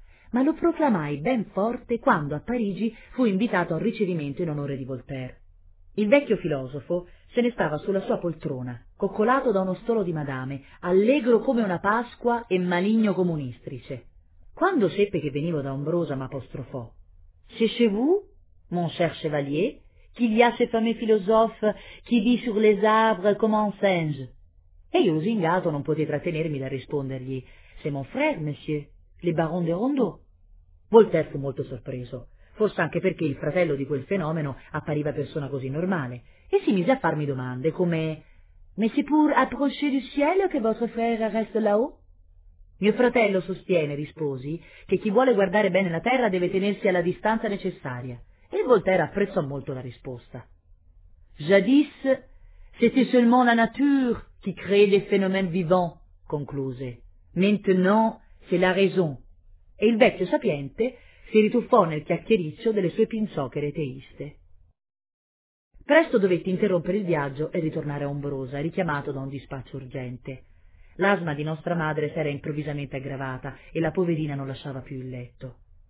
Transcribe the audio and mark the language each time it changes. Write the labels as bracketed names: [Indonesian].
[Italian] Ma lo proclamai ben forte quando a Parigi fu invitato a un ricevimento in onore di Voltaire. Il vecchio filosofo se ne stava sulla sua poltrona, coccolato da uno stolo di madame, allegro come una Pasqua e maligno come un'istrice. Quando seppe che venivo da Ombrosa, m'apostrofò. [French] «C'est chez vous, mon cher chevalier, qu'il y a ce fameux philosophe qui vit sur les arbres comme un singe?» [Italian] E io, lusingato, non potei trattenermi da rispondergli [French] «C'est mon frère, monsieur, le baron de Rondeau». [Italian] Voltaire fu molto sorpreso, forse anche perché il fratello di quel fenomeno appariva persona così normale, e si mise a farmi domande come [French] «Mais c'est pour approcher du ciel que votre frère reste là-haut?» [Italian] «Mio fratello sostiene», risposi, «che chi vuole guardare bene la terra deve tenersi alla distanza necessaria». E Voltaire apprezzò molto la risposta. [French] «Jadis, c'était seulement la nature qui crée les phénomènes vivants», concluse. «Maintenant, c'est la raison». [Italian] E il vecchio sapiente si rituffò nel chiacchiericcio delle sue pinzocchere teiste. Presto dovetti interrompere il viaggio e ritornare a Ombrosa, richiamato da un dispaccio urgente. L'asma di nostra madre s'era improvvisamente aggravata e la poverina non lasciava più il letto.